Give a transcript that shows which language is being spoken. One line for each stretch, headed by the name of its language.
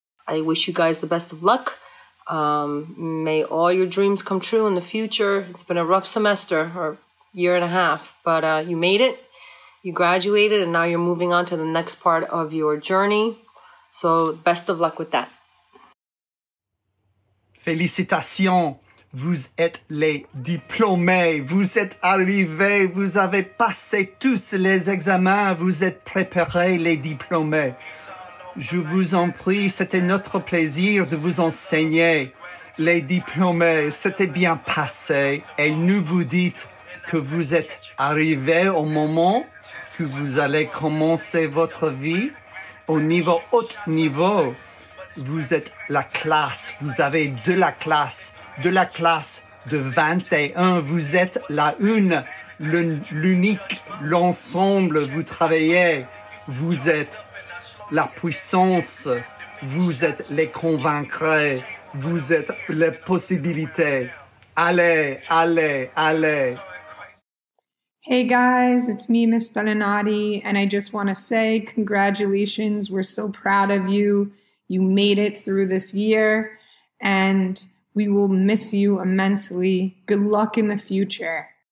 English: I wish you guys the best of luck. May all your dreams come true in the future. It's been a rough semester or year and a half, but you made it. You graduated, and now you're moving on to the next part of your journey. So best of luck with that.
French: Félicitations, vous êtes les diplômés, vous êtes arrivés, vous avez passé tous les examens, vous êtes préparés les diplômés. Je vous en prie, c'était notre plaisir de vous enseigner les diplômés, c'était bien passé et nous vous dites que vous êtes arrivés au moment que vous allez commencer votre vie au niveau haut niveau. Vous êtes la classe, vous avez de la classe de 21. Vous êtes la une, l'unique, l'ensemble, vous travaillez. Vous êtes la puissance, vous êtes les convaincrés, vous êtes les possibilités. Allez, allez, allez.
English: Hey guys, it's me, Miss Bellinati, and I just want to say congratulations. We're so proud of you. You made it through this year, and we will miss you immensely. Good luck in the future.